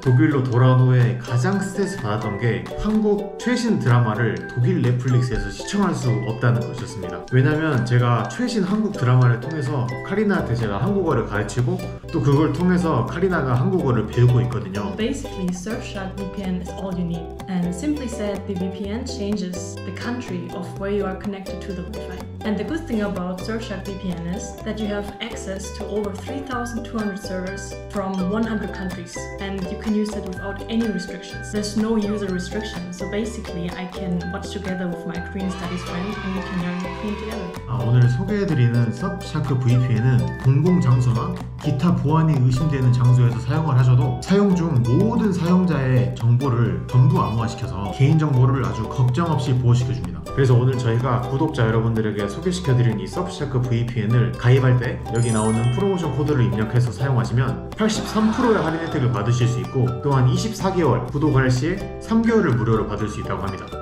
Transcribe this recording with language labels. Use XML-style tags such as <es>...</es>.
<ko>독일로 돌아온 후에 가장 스트레스 받았던 게 한국 최신 드라마를 독일 넷플릭스에서 시청할 수 없다는 것이었습니다. 왜냐면 제가 최신 한국 드라마를 통해서 카리나한테 제가 한국어를 가르치고 또 그걸 통해서 카리나가 한국어를 배우고 있거든요.</ko> <en>Basically, Surfshark VPN is all you need. And simply said, the VPN changes the country of where you are connected to the Wi-Fi. And the good thing about Surfshark VPN is that you have access to over 3,200 servers from 100 countries. And you can use it without any restrictions. There's no user restriction. So basically, I can watch together with my Korean studies friend and we can learn Korean together.</en> <ko>아, 오늘 소개해드리는 Surfshark VPN은 공공장소나 기타 보안이 의심되는 장소에서 사용을 하셔도 사용 중 모든 사용자의 정보를 전부 암호화시켜서 개인정보를 아주 걱정없이 보호시켜줍니다. 그래서 오늘 저희가 구독자 여러분들에게 소개시켜드린 이 서프샤크 VPN을 가입할 때 여기 나오는 프로모션 코드를 입력해서 사용하시면 83%의 할인 혜택을 받으실 수 있고 또한 24개월 구독할 시에 3개월을 무료로 받을 수 있다고 합니다.</ko>